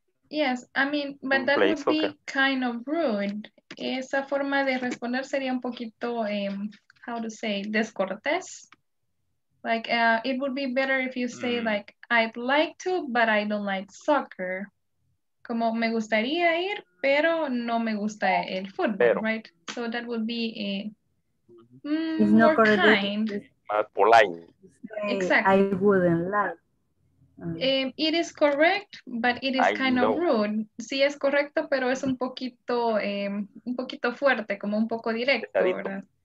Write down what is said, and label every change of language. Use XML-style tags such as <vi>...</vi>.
<en>Yes, I mean, but that would be kind of rude.</en> <es>Esa forma de responder sería un poquito,</es> <en>how to say,</en> <es>descortés.</es> <en>Like, it would be better if you say, like, I'd like to, but I don't like soccer.</en> <es>Como me gustaría ir, pero no me gusta el fútbol, right?</es> <en>So that would be a more not kind.</en> <es>Más polite.</es> <en>Exactly. I wouldn't like. It is correct, but it is kind of rude.</en> <es>Sí, es correcto, pero es un poquito fuerte, como un poco directo, ¿verdad?</es>